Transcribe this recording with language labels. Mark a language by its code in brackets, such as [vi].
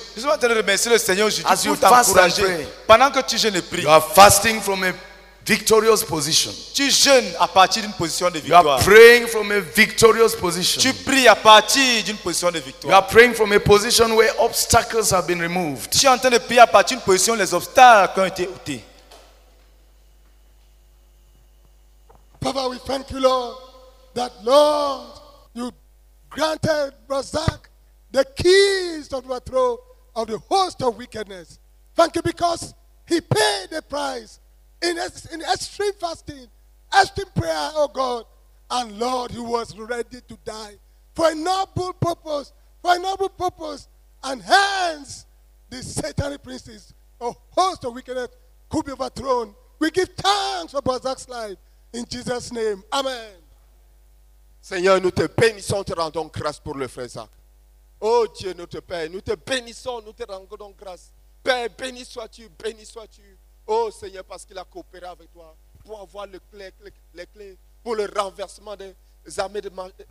[fr] Nous sommes en train de remercier le Seigneur aujourd'hui. [en] As you fast and pray. [fr] Pendant que tu jeûnes et prie. [en] You are fasting from a victorious position. [fr] Tu jeûnes à partir d'une position de victoire. [en] You are praying from a victorious position. [fr] Tu pries à partir d'une position de victoire. [en] You are praying from a position where obstacles have been removed. [fr] Tu es en train de prier à partir d'une position où les obstacles ont été ôtés. [en] Papa, we thank you, Lord. That Lord, you granted Razak the keys of the throne of the host of wickedness. Thank you because he paid the price in extreme fasting, extreme prayer, oh God. And Lord, he was ready to die for a noble purpose, for a noble purpose. And hence, the satanic princes of host of wickedness could be overthrown. We give thanks for Razak's life in Jesus' name. Amen. [fr] Seigneur, nous te bénissons, te rendons grâce pour le frère Zach. Oh Dieu, notre Père, nous te bénissons, nous te rendons grâce. Père, béni sois-tu. Oh Seigneur, parce qu'il a coopéré avec toi pour avoir les clés pour le renversement des armées de ma...